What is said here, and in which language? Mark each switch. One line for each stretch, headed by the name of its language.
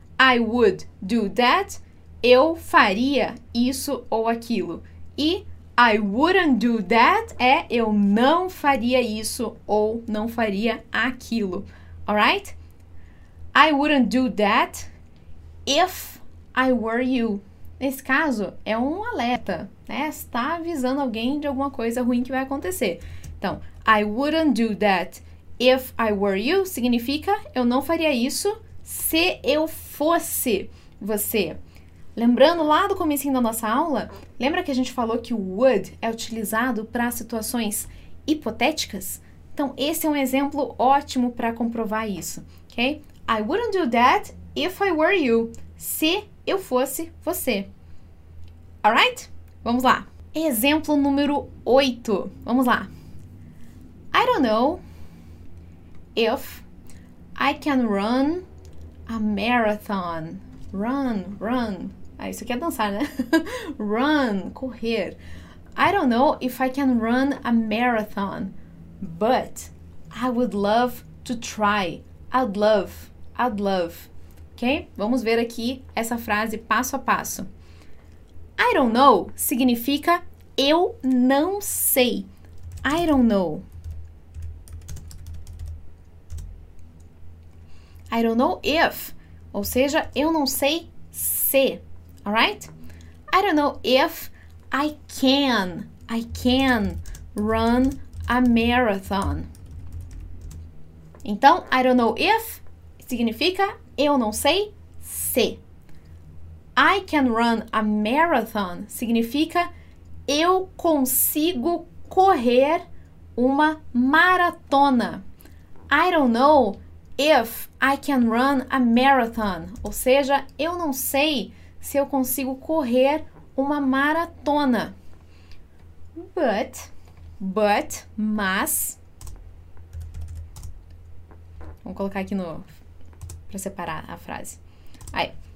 English: I would do that.
Portuguese: Eu faria isso ou aquilo. E
English: I wouldn't do that
Portuguese: é eu não faria isso ou não faria aquilo.
English: Alright? I wouldn't do that if I were you.
Portuguese: Nesse caso, é um alerta, né? Está avisando alguém de alguma coisa ruim que vai acontecer. Então,
English: I wouldn't do that. If I were you
Portuguese: significa eu não faria isso se eu fosse você. Lembrando lá do comecinho da nossa aula, lembra que a gente falou que o would é utilizado para situações hipotéticas? Então, esse é um exemplo ótimo para comprovar isso, ok?
English: I wouldn't do that if I were you,
Portuguese: se eu fosse você.
English: Alright?
Portuguese: Vamos lá. Exemplo número 8. Vamos lá.
English: I don't know if I can run a marathon.
Portuguese: Run. Ah, isso aqui é dançar, né? Run, correr.
English: I don't know if I can run a marathon, but I would love to try. I'd love. Ok?
Portuguese: Vamos ver aqui essa frase passo a passo.
English: I don't know
Portuguese: significa eu não sei.
English: I don't know. I don't know if.
Portuguese: Ou seja, eu não sei se.
English: Alright? I don't know if I can. I can run a marathon.
Portuguese: Então,
English: I don't know if
Portuguese: significa eu não sei se.
English: I can run a marathon
Portuguese: significa eu consigo correr uma maratona.
English: I don't know if I can run a marathon.
Portuguese: Ou seja, eu não sei se eu consigo correr uma maratona.
English: But,
Portuguese: mas. Vamos colocar aqui no. Para separar a frase. Aí.